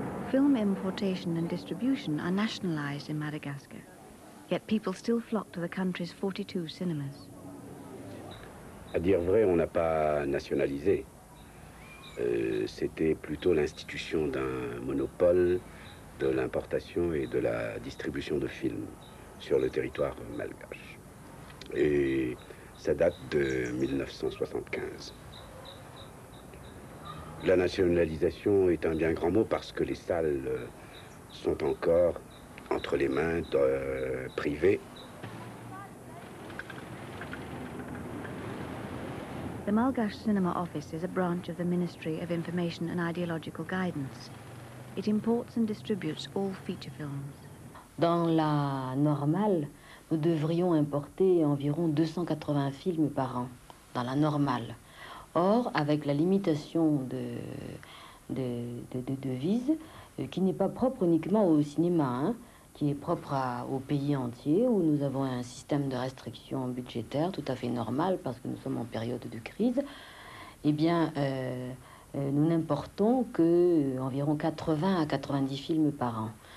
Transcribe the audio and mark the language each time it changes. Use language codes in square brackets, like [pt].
[en] Film importation and distribution are nationalized in Madagascar, yet people still flock to the country's 42 cinemas. [fr] À dire vrai, on n'a pas nationalisé. C'était plutôt l'institution d'un monopole de l'importation et de la distribution de films sur le territoire malgache. Et ça date de 1975. La nationalisation est un bien grand mot parce que les salles sont encore entre les mains privées. [en] The Malgache Cinema Office is a branch of the Ministry of Information and Ideological Guidance. It imports and distributes all feature films. [fr] Dans la normale, nous devrions importer environ 280 films par an, dans la normale. Or, avec la limitation de devises, qui n'est pas propre uniquement au cinéma, hein, qui est propre au pays entier, où nous avons un système de restrictions budgétaires tout à fait normal, parce que nous sommes en période de crise, eh bien, nous n'importons que environ 80 à 90 films par an.